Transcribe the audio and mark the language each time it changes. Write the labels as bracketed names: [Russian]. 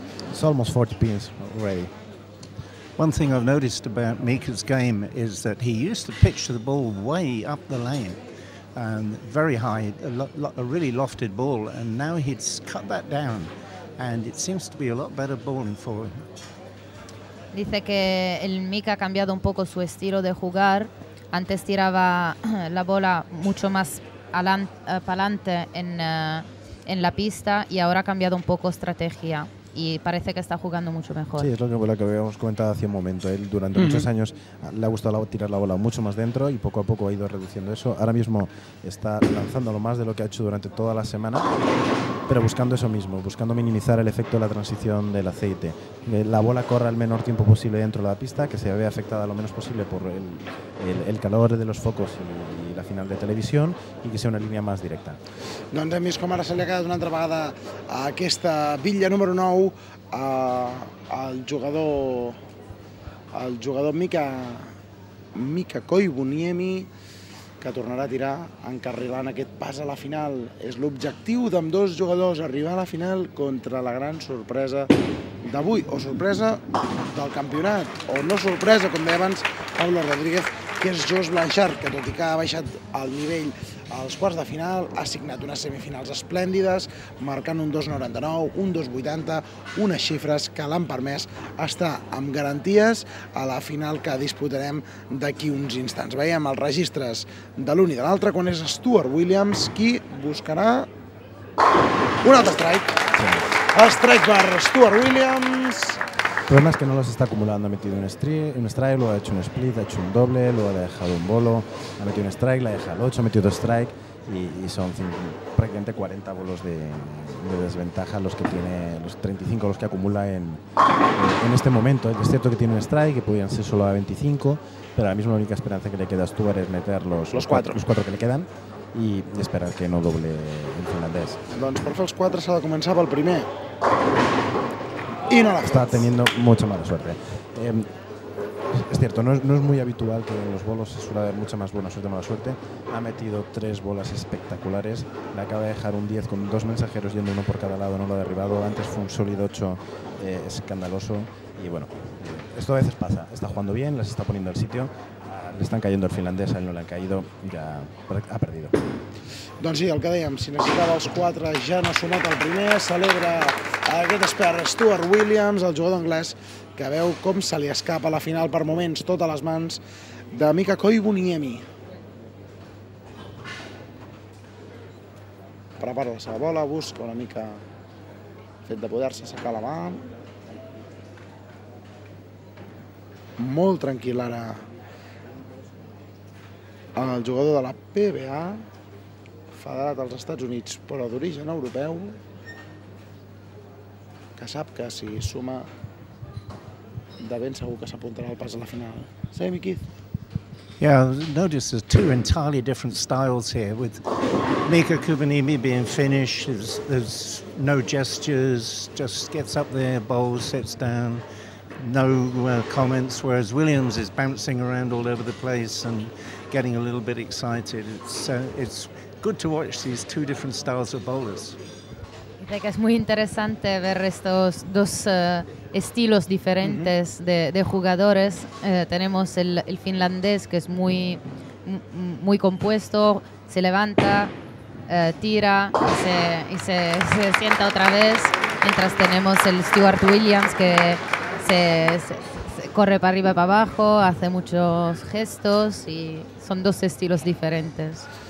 [English] It's almost 40 pins already. One thing I've noticed about Mika's game is that he used to pitch the ball way up the lane. And very high, a really lofted ball, and now he's cut that down, and it seems to be a lot better bowling for him. [Spanish] Dice que el Mika ha cambiado un poco su estilo de jugar. Antes tiraba la bola mucho más palante en la pista, y ahora ha cambiado un poco estrategia. Y parece que está jugando mucho mejor. Sí, es lo que habíamos comentado hace un momento. Él durante muchos años le ha gustado tirar la bola mucho más dentro y poco a poco ha ido reduciendo eso. Ahora mismo está lanzándolo más de lo que ha hecho durante toda la semana, pero buscando eso mismo, buscando minimizar el efecto de la transición del aceite. La bola corra el menor tiempo posible dentro de la pista, que se vea afectada lo menos posible por el calor de los focos y la final de televisión, y que sea una línea más directa. [Catalan] Doncs hem vist com ara se li ha quedat una altra vegada a aquesta bitlla número 9 al jugador Mika Koivuniemi, que tornarà a tirar encarrilant aquest pas a la final. És l'objectiu d'ambdós jugadors, arribar a la final contra la gran sorpresa d'avui, o sorpresa del campionat, o no sorpresa, com deia abans Pablo Rodríguez, que és Josh Blanchard, que tot i que ha baixat el nivell als quarts de final, ha signat unes semifinals esplèndides, marcant un 2,99, un 2,80, unes xifres que l'han permès estar amb garanties a la final que disputarem d'aquí uns instants. Veiem els registres de l'un i de l'altre, quan és Stuart Williams qui buscarà un altre strike. Strike per Stuart Williams. [Spanish] El problema es que no los está acumulando, ha metido un strike, luego ha hecho un split, ha hecho un doble, luego ha dejado un bolo, ha metido un strike, la ha dejado 8, ha metido 2 strike y son prácticamente 40 bolos de desventaja los que tiene, los 35 los que acumula en este momento. Es cierto que tiene un strike, que podían ser solo a 25, pero ahora mismo la única esperanza que le queda a Stuart es meter los cuatro que le quedan y esperar que no doble el finlandés. [Catalan] Doncs per fer els 4 s'ha de començar pel primer. [Spanish] Y no la está teniendo mucha mala suerte. Es cierto, no es muy habitual que en los bolos se suele haber mucha más buena suerte o mala suerte. Ha metido tres bolas espectaculares. Le acaba de dejar un 10 con dos mensajeros yendo uno por cada lado, no lo ha derribado. Antes fue un sólido 8 escandaloso. Y bueno, esto a veces pasa. Está jugando bien, las está poniendo al sitio. Le están cayendo el finlandés, a él no le han caído, ya ha perdido. [Catalan] Doncs sí, el que dèiem, si necessitava els 4, ja no ha sonat el primer. Celebra aquest expert Stuart Williams, el jugador anglès, que veu com se li escapa a la final per moments tot a les mans de Mika Koivuniemi. Prepara la seva bola, busca una mica el fet de poder-se assecar la mà. Molt tranquil ara el jugador de la PBA, federat als Estats Units, però d'origen europeu, que sap que si suma de ben segur que s'apuntarà al pas a la final. Sammy Keith. [English] Yeah, notice there's two entirely different styles here, with Mika Koivuniemi being Finnish, there's no gestures, just gets up there, bowls, sits down, no comments, whereas Williams is bouncing around all over the place and getting a little bit excited. It's good to watch these two different styles of bowlers. [Spanish] Dice que es muy interesante ver estos dos estilos diferentes de jugadores. Tenemos el finlandés, que es muy compuesto, se levanta, tira y se sienta otra vez, mientras tenemos el Stuart Williams, que se corre para arriba y para abajo, hace muchos gestos, y son dos estilos diferentes.